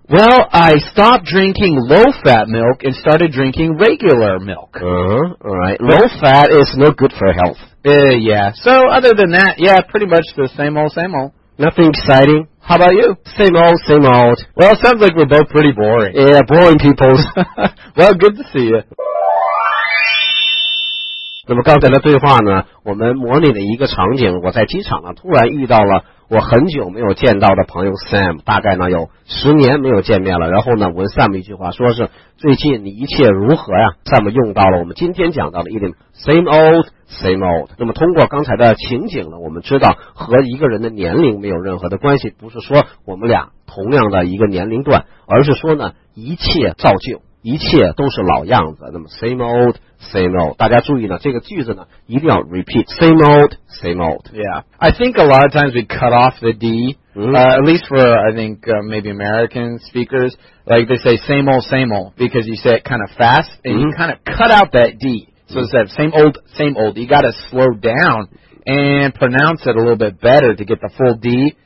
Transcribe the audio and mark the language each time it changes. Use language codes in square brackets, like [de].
[en] Well, I stopped drinking low-fat milk and started drinking regular milk. All right. Low-fat is no good for health. Yeah. So other than that, yeah, pretty much the same old, same old. Nothing exciting. How about you? Same old, same old. Well, it sounds like we're both pretty boring. Yeah, boring people. Well, good to see you. [zh] 那么刚才的对话呢，我们模拟了一个场景，我在机场呢，突然遇到了我很久没有见到的朋友 Sam， 大概呢有10年没有见面了。然后呢，问 Sam 一句话，说是最近你一切如何呀 ？Sam 用到了我们今天讲到的 idiom， same old, same old。那么通过刚才的情景呢，我们知道和一个人的年龄没有任何的关系，不是说我们俩同样的一个年龄段，而是说呢一切照旧，一切都是老样子。那么 same old。 [en] Same old. [zh] 大家注意呢，这个句子呢一定要 repeat. [en] Same old, same old. Yeah. I think a lot of times we cut off the D,at least for, I think, maybe American speakers. Like they say same old, same old, because you say it kind of fast, and you kind of cut out that D. So it's that same old, same old. You got to slow down and pronounce it a little bit better to get the full D.